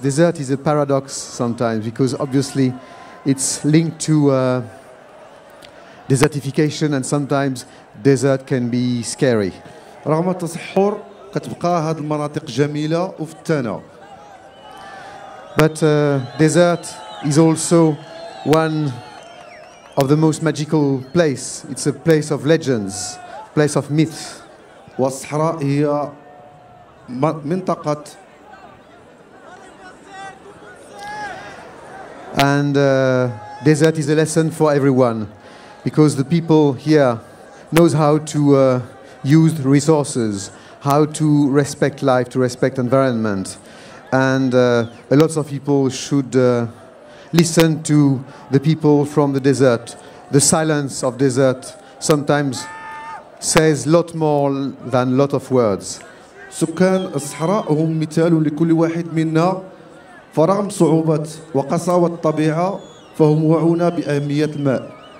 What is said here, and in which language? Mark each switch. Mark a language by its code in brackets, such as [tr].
[en] Desert is a paradox sometimes because obviously it's linked to desertification and sometimes desert can be scary. [ar] رغم التصحر كتبقى هذه المناطق جميلة وفتانة. [en] But desert is also one of the most magical place. It's a place of legends, place of myths. [ar] والصحراء هي منطقة. [en] And desert is a lesson for everyone because the people here knows how to use the resources, how to respect life, to respect environment. And a lot of people should listen to the people from the desert. The silence of desert sometimes says a lot more than a lot of words. [ar] سكان الصحراء هم مثال لكل واحد منا فرغم صعوبة وقساوة الطبيعة فهم وعونا بأهمية الماء.